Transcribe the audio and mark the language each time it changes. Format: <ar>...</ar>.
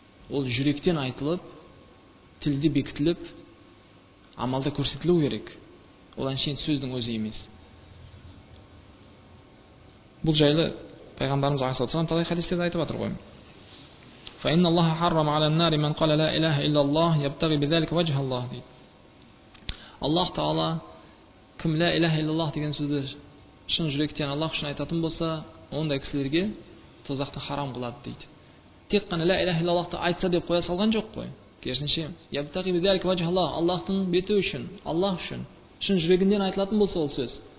<kk>Ол жүректен айтылып, тілде бекітіліп, амалда көрсетілу керек. Ол әншейін сөздің өзі емес. Бұл жайлы пайғамбарымыз алейхиссалам талай хадисте айтып отыр ғой.</kk> <ar>فإن الله حرم على النار من قال لا إله إلا الله يبتغي بذلك وجه الله دي.</ar> <kk>الله تعالى كم</kk> <ar>لا إله إلا الله</ar> <kk>деген сөзді шын жүректен Аллах үшін айтатын болса, ондай кісілерге тозақты харам қылады дейді. Тек қана</kk> <ar>لا إله إلا الله</ar> <kk>айтса деп қоя салған жоқ қой. Керісінше,</kk> <ar>يبتغي بذلك وجه الله,</ar> <kk>Аллахтың беті үшін, Аллах үшін шын жүрегінен айтылатын болса ол сөз.</kk>